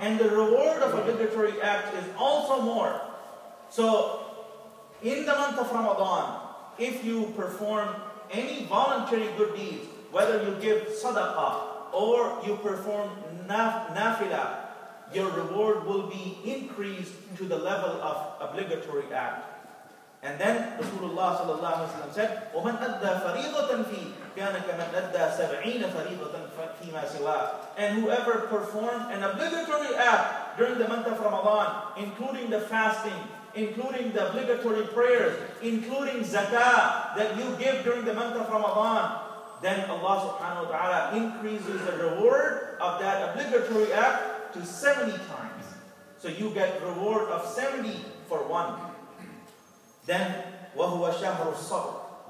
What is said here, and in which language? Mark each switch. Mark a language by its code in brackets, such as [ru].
[en] And the reward of obligatory act is also more. So in the month of Ramadan, if you perform any voluntary good deeds, whether you give sadaqah or you perform nafila, your reward will be increased to the level of obligatory act. And then Rasulullah sallallahu alaihi wasallam said, [ar] وَمَنْ أَدَّى فَرِيضَةً فِي كَانَ كَمَنْ أَدَّى سَبْعِينَ فَرِيضَةً فِي مَا سِوَاهُ. [en] And whoever performed an obligatory act during the month of Ramadan, including the fasting, including the obligatory prayers, including zakah that you give during the month of Ramadan, then Allah subhanahu wa ta'ala increases the reward of that obligatory act to 70 times. So you get reward of 70 for one. Then, [ar] وَهُوَ شَهْرُ الصَّبْرِ.